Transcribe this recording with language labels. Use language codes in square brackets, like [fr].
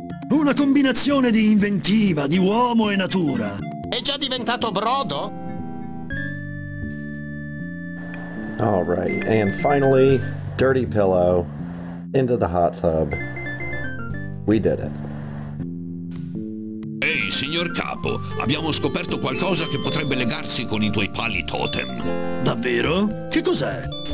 [it] Una combinazione di inventiva, di uomo e natura. È già diventato brodo? [en] All right, and finally, dirty pillow into the hot tub. We did it. [it] Ehi, signor capo, abbiamo scoperto qualcosa che potrebbe legarsi con i tuoi pali totem. Davvero? Che cos'è?